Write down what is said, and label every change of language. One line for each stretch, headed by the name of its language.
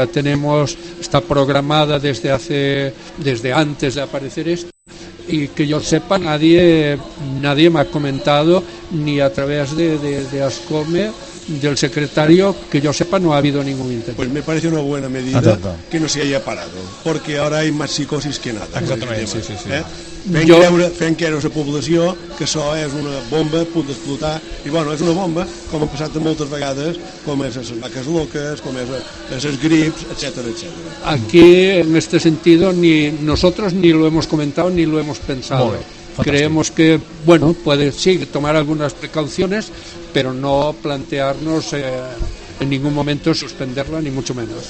Spanish: La tenemos, está programada desde antes de aparecer esto, y que yo sepa nadie me ha comentado, ni a través de Ascome, del secretario, que yo sepa, no ha habido ningún intento. Pues me parece una buena medida. Exacto. Que no se haya parado, porque ahora hay más psicosis que nada. Exactamente, sí, sí, sí.
Catalan: Fent que era la població, que això és una bomba a punt d'explotar, i bueno, és una bomba, com ha passat moltes vegades, com és les vaques loques, com és les grips, etc.
Spanish: Aquí, en este sentido, ni nosotros ni lo hemos comentado ni lo hemos pensado. Creemos que, bueno, puede sí tomar algunas precauciones, pero no plantearnos en ningún momento suspenderla, ni mucho menos.